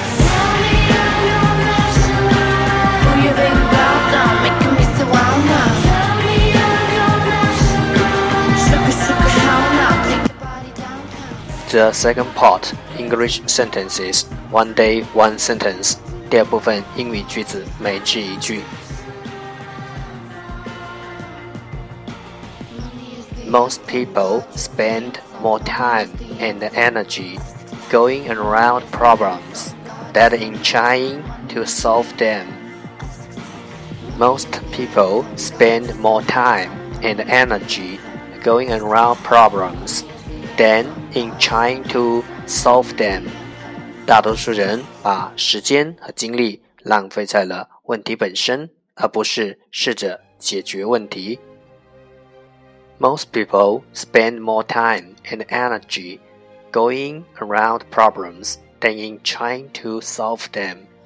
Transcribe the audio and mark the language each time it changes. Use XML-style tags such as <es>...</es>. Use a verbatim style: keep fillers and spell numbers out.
<en>Tell me I'm your national anthem. Oh, you big bow down, making me so wild now. Tell me I'm your national anthem. Sugar, sugar, how now? Take your body downtown. The second part, English sentences, one day, one sentence.</en> <zh>第二部分英语句子，每句一句。</zh> <en>Most people spend more time and energy going around problems than in trying to solve them. Most people spend more time and energy going around problems than in trying to solve them.</en> <zh>大多数人把时间和精力浪费在了问题本身，而不是试着解决问题。</zh> <en>Most people spend more time and energy going around problems than in trying to solve them.</en>